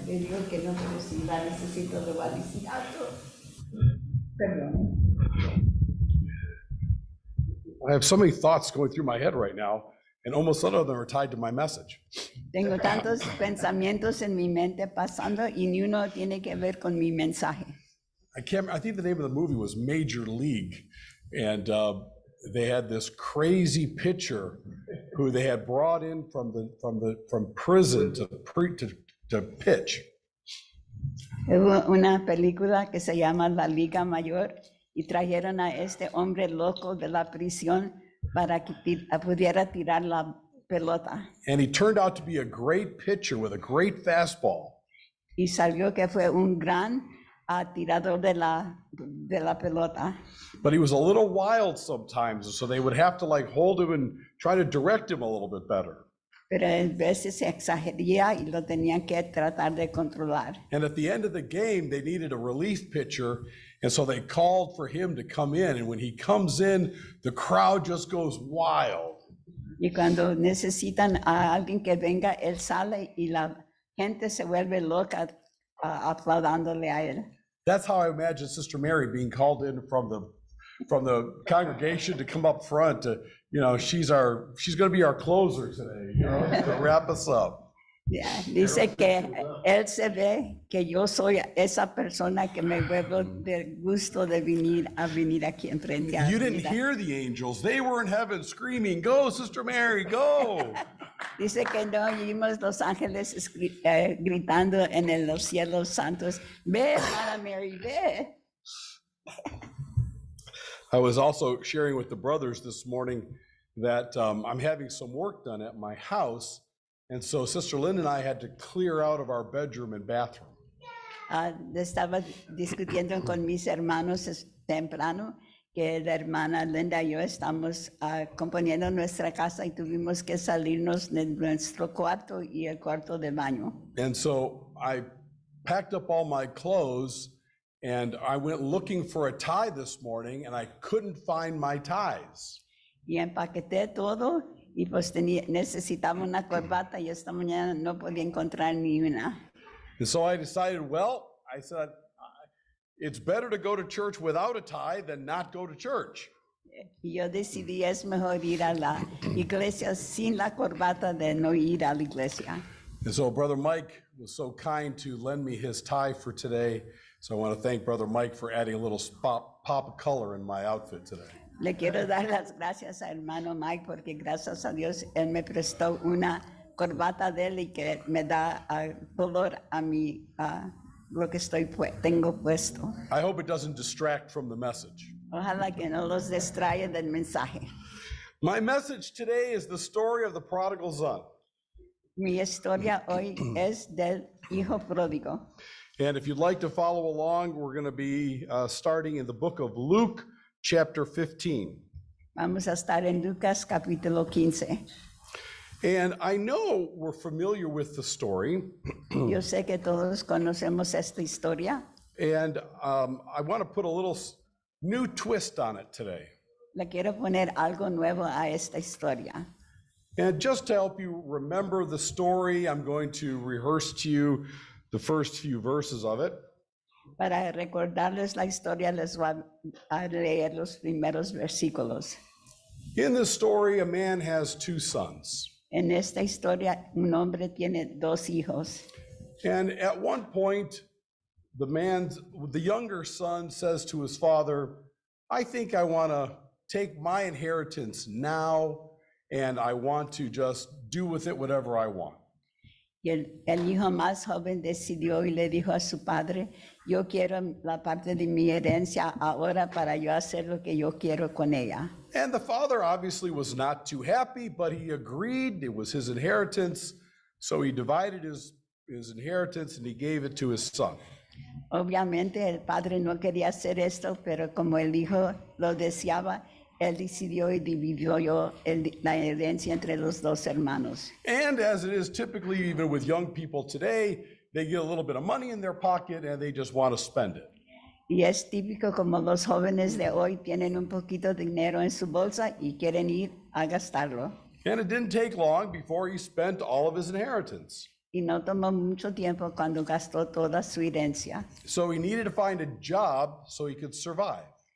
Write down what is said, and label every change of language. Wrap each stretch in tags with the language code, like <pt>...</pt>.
<es>Le digo que no quiero sin la necesito de balizado. Perdón.</es> <en>I have so many thoughts going through my head right now, and almost none of them are tied to my message.</en> <es>Tengo tantos pensamientos en mi mente pasando, y ni uno tiene que ver con mi mensaje.</es> <en>I think the name of the movie was Major League, and they had this crazy pitcher who they had brought in from prison to pitch.</en> <es>Una película que se llama La Liga Mayor, y trajeron a este hombre loco de la prisión para que pudiera tirar la pelota.</es> <en>And he turned out to be a great pitcher with a great fastball.</en> <es>Y salió que fue un gran tirador de la pelota.</es> <en>But he was a little wild sometimes, so they would have to like hold him and try to direct him a little bit better.</en> <es>Pero en veces se exageraba y lo tenían que tratar de controlar.</es> <en>And at the end of the game, they needed a relief pitcher, and so they called for him to come in. And when he comes in, the crowd just goes wild.</en> <es>Y cuando necesitan a alguien que venga, él sale y la gente se vuelve loca. Aplaudándole a él.</es> <en>That's how I imagine Sister Mary being called in from the congregation to come up front to, you know, she's going to be our closer today, you know, to wrap us up.</en> <es>Yeah, dice que él se ve que yo soy esa persona que me vuelvo del gusto de venir aquí enfrente.</es> <en>You didn't hear the angels. They were in heaven screaming, go, Sister Mary, go.</en> <es>Dice que no oímos los ángeles gritando en los cielos santos, ve, Mara Mary, ve.</es> <en>I was also sharing with the brothers this morning that I'm having some work done at my house. And so Sister Lynn and I had to clear out of our bedroom and bathroom.</en> <es>Estaba discutiendo con mis hermanos temprano que la hermana Linda y yo estamos componiendo nuestra casa y tuvimos que salirnos de nuestro cuarto y el cuarto de baño.</es> <en>And so I packed up all my clothes and I went looking for a tie this morning and I couldn't find my ties.</en> <es>Y empaqueté todo y pues necesitaba una corbata y esta mañana no podía encontrar ni una.</es> <en>And so I decided, well, I said, it's better to go to church without a tie than not go to church.</en> <es>Yo decidí es mejor ir a la iglesia sin la corbata de no ir a la iglesia.</es> <en>And so Brother Mike was so kind to lend me his tie for today. So I want to thank Brother Mike for adding a little pop of color in my outfit today.</en> <es>Le quiero dar las gracias a hermano Mike porque gracias a Dios él me prestó una corbata de él y que me da color a mi lo que estoy tengo puesto.</es> <en>I hope it doesn't distract from the message.</en> <es>Ojalá que no los distraiga del mensaje.</es> <en>My message today is the story of the prodigal son.</en> <es>Mi historia hoy es del hijo pródigo.</es> <en>And if you'd like to follow along, we're going to be starting in the book of Luke, chapter 15.</en> <es>Vamos a estar en Lucas, capítulo 15.</es> <en>And I know we're familiar with the story.</en> <es>Yo sé que todos conocemos esta historia.</es> <en>And I want to put a little new twist on it today.</en> <es>Le quiero poner algo nuevo a esta historia.</es> <en>And just to help you remember the story, I'm going to rehearse to you the first few verses of it.</en> <es>Para recordarles la historia, les voy a leer los primeros versículos.</es> <en>In this story, a man has two sons.</en> <es>En esta historia, un hombre tiene dos hijos.</es> <en>And at one point, the younger son says to his father, I think I want to take my inheritance now, and I want to just do with it whatever I want.</en> <es>Y el hijo más joven decidió y le dijo a su padre, yo quiero la parte de mi herencia ahora para yo hacer lo que yo quiero con ella.</es> <en>And the father obviously was not too happy, but he agreed it was his inheritance. So he divided his inheritance and he gave it to his son.</en> <es>Obviamente el padre no quería hacer esto, pero como el hijo lo deseaba, él decidió y dividió yo la herencia entre los dos hermanos.</es> <en>And as it is typically even with young people today, they get a little bit of money in their pocket and they just want to spend it.</en> <es>Y es típico como los jóvenes de hoy tienen un poquito de dinero en su bolsa y quieren ir a gastarlo.</es> <en>And it didn't take long before he spent all of his inheritance.</en> <es>Y no tomó mucho tiempo cuando gastó toda su herencia.</es> <en>So he needed to find a job so he could survive.</en>